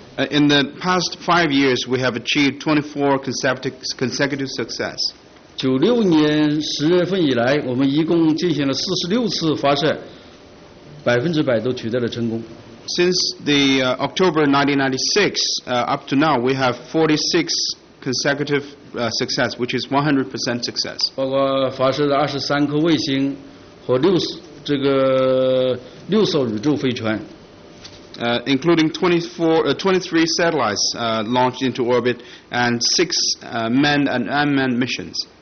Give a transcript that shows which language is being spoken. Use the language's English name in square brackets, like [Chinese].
[English] In the past 5 years, we have achieved 24 consecutive success. [Chinese] 96年10月份以来，我们一共进行了46次发射， 100%都取得了成功。 [English] Since the October 1996, up to now, we have 46 consecutive success, which is 100% success. [Chinese] 包括发射的23颗卫星和6艘宇宙飞船。 [English] Including 23 satellites launched into orbit and 6 manned and unmanned missions.